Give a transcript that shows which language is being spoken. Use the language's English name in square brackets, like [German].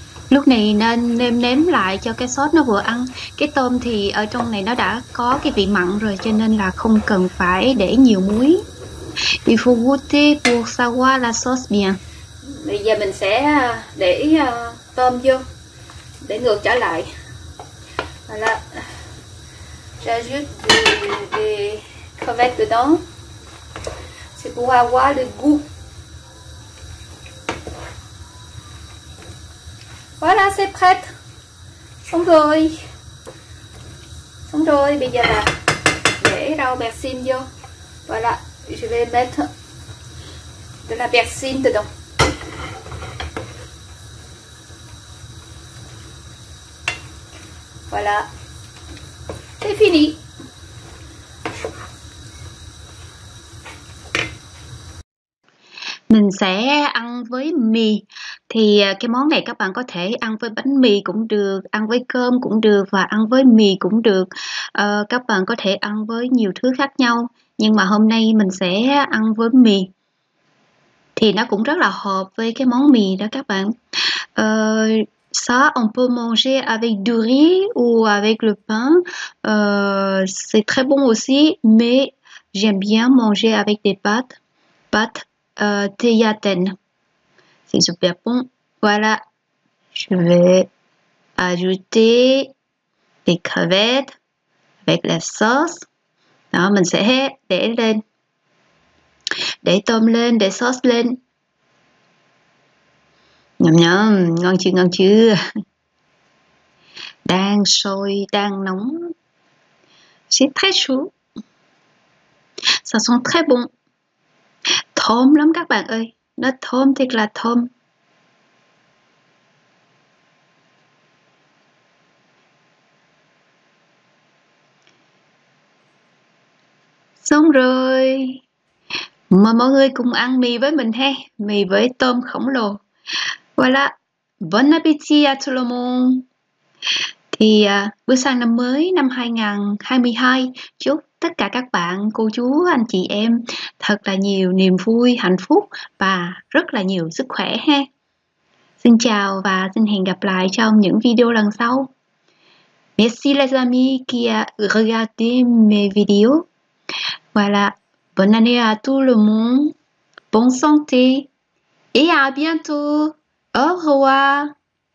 [Vietnamese] Lúc này nên nêm nếm lại cho cái sốt nó vừa ăn. Cái tôm thì ở trong này nó đã có cái vị mặn rồi, cho nên là không cần phải để nhiều muối. [French] Il faut goûter pour savoir la sauce bien. [Vietnamese] Bây giờ mình sẽ để tôm vô, để ngược trở lại. [French] Voilà, j'ajoute des crevettes dedans, c'est pour avoir le goût. Voilà, c'est prêt. [Vietnamese] Xong rồi, bây giờ là để rau persil vô. [French] Voilà, je vais mettre de la persil dedans. Voilà. C'est fini. [Vietnamese] Mình sẽ ăn với mì. Thì cái món này các bạn có thể ăn với bánh mì cũng được, ăn với cơm cũng được và ăn với mì cũng được. Các bạn có thể ăn với nhiều thứ khác nhau, nhưng mà hôm nay mình sẽ ăn với mì. Thì nó cũng rất là hợp với cái món mì đó các bạn. [French] Ça, on peut manger avec du riz ou avec le pain. C'est très bon aussi, mais j'aime bien manger avec des pâtes. Pâtes tagliatelle. C'est super bon. Voilà. Je vais ajouter des crevettes avec la sauce. Non, [Vietnamese] mình sẽ để lên. Để tôm lên, để sốt lên. Nhầm nhầm, ngon chưa, ngon chưa? Đang sôi, đang nóng. [French] C'est très chaud. Ça sent très bon. [Vietnamese] Thơm lắm các bạn ơi. Nó thơm thiệt là thơm. Xong rồi. Mà mọi người cùng ăn mì với mình ha. Mì với tôm khổng lồ. Voilà. [French] Bon appétit à tout le monde. [Vietnamese] Thì bước sang năm mới, năm 2022, chúc tất cả các bạn, cô chú, anh chị em thật là nhiều niềm vui, hạnh phúc và rất là nhiều sức khỏe ha. Xin chào và xin hẹn gặp lại trong những video lần sau. [French] Merci les amis qui a regardé mes vidéos. Voilà, bonne année à tout le monde, bonne santé et à bientôt. Au revoir.